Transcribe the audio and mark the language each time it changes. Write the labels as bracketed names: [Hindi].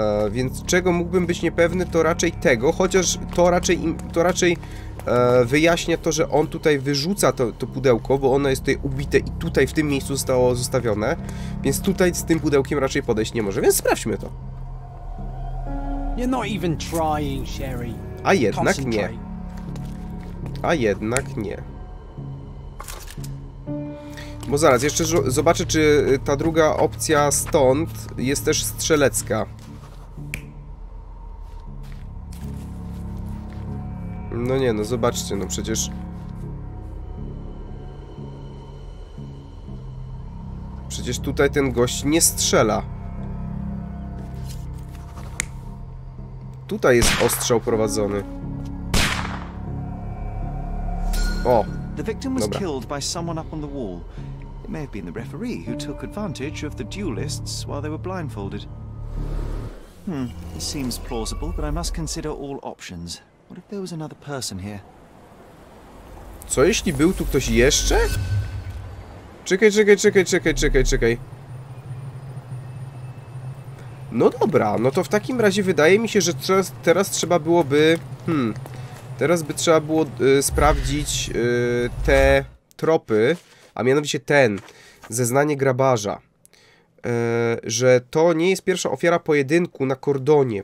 [Polish] Więc czego mógłbym być niepewny, to raczej tego, chociaż to raczej wyjaśnia to, że on tutaj wyrzuca to pudełko, bo ono jest tutaj ubite i tutaj w tym miejscu zostało zostawione, więc tutaj z tym pudełkiem raczej podejść nie może, więc sprawdźmy to. [English] You're not even trying, Sherry. [Polish] A jednak nie. A jednak nie. Bo zaraz, jeszcze zobaczę, czy ta druga opcja stąd jest też strzelecka. No nie, no zobaczcie, no przecież... Przecież tutaj ten gość nie strzela. Tutaj jest ostrzał prowadzony. O! [English] The victim was killed by someone up on the wall. It may have been the referee who took advantage of the duelists while they were blindfolded. This seems plausible, but I must consider all options. What if there was another person here? [Polish] Co jeśli był tu ktoś jeszcze? Czekaj. No dobra, no to w takim razie wydaje mi się, że teraz trzeba byłoby... Teraz by trzeba było sprawdzić te tropy, a mianowicie ten, zeznanie grabarza, że to nie jest pierwsza ofiara pojedynku na kordonie.